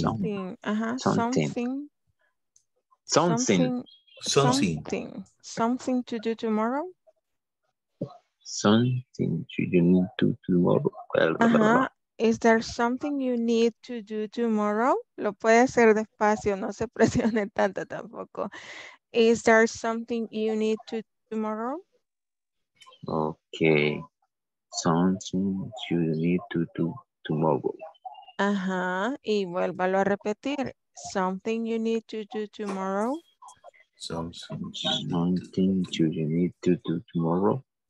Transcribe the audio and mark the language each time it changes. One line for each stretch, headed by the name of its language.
English: Something. Uh-huh. Something. Something. Something. Something. Something to do tomorrow? Something you need to do tomorrow. Uh-huh. Is there something you need to do tomorrow?
Spanish: Lo puede hacer despacio, no se presione tanto tampoco.
English: Is there something you need to do tomorrow? Okay. Something you need to do tomorrow.
Spanish: Ajá, y vuélvalo a repetir.
English: Something you need to do tomorrow. Something you need to do tomorrow.